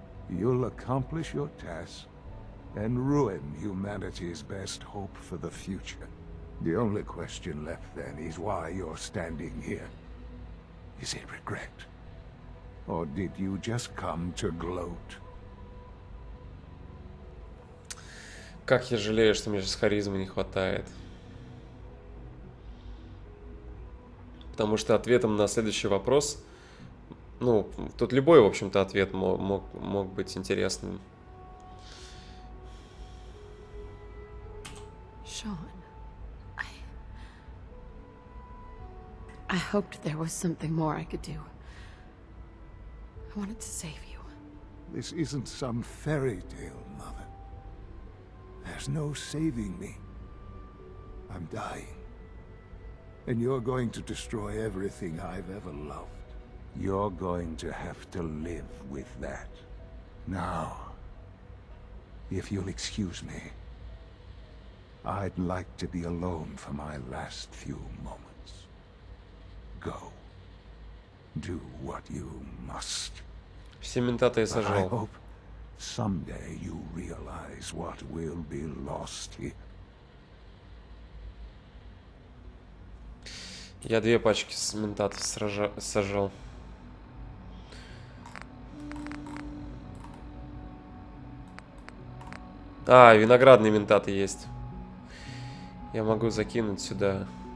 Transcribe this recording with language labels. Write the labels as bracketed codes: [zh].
[en] You'll accomplish your task. And ruin humanity's best hope for the future. The only question left then is why you're standing here. Is it regret? Or did you just come to gloat? [ru] Как я жалею, что мне сейчас харизмы не хватает. Потому что ответом на следующий вопрос... ну, тут любой, в общем-то, ответ мог быть интересным. [en] Sean, I hoped there was something more I could do. I wanted to save you. This isn't some fairy tale, Mother. There's no saving me. I'm dying. And you're going to destroy everything I've ever loved. You're going to have to live with that. Now, if you'll excuse me, I'd like to be alone for my last few moments. Go. Do what you must. But I hope someday you realize what will be lost here. [ru] Я две пачки с ментатов сожрал. А, виноградные ментаты есть. Я могу закинуть сюда.